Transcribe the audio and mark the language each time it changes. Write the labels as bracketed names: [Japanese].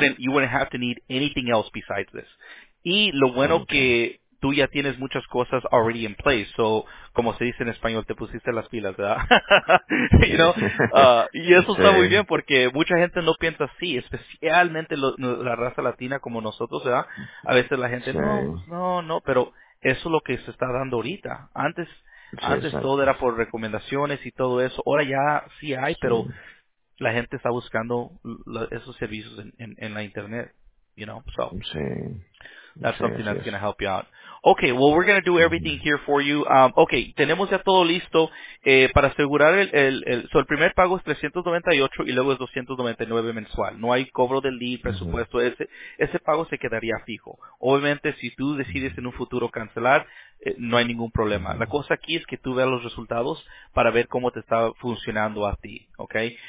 [English] you wouldn't have to need anything else besides this. [Spanish] Y lo bueno [English] okay. [Spanish] que tú ya tienes muchas cosas [English] already in place. [Spanish] So, como se dice en español, te pusiste las pilas, ¿verdad? [English] You know? [Spanish] Y eso está muy bien porque mucha gente no piensa así, especialmente la raza latina como nosotros, ¿verdad? A veces la gente, no, pero eso es lo que se está dando ahorita. Antes todo era por recomendaciones y todo eso. Ahora ya sí hay, pero la gente está buscando esos servicios en la internet. [English] You know, so that's something that's going to help you out. Okay, well, we're going to do everything here for you. [Spanish] Okay, tenemos ya todo listo. Para asegurar el primer pago es $398 y luego es $299 mensual. No hay cobro del lead, presupuesto. Mm-hmm. Ese pago se quedaría fijo. Obviamente, si tú decides en un futuro cancelar, no hay ningún problema. La cosa aquí es que tú veas los resultados para ver cómo te está funcionando a ti, okay.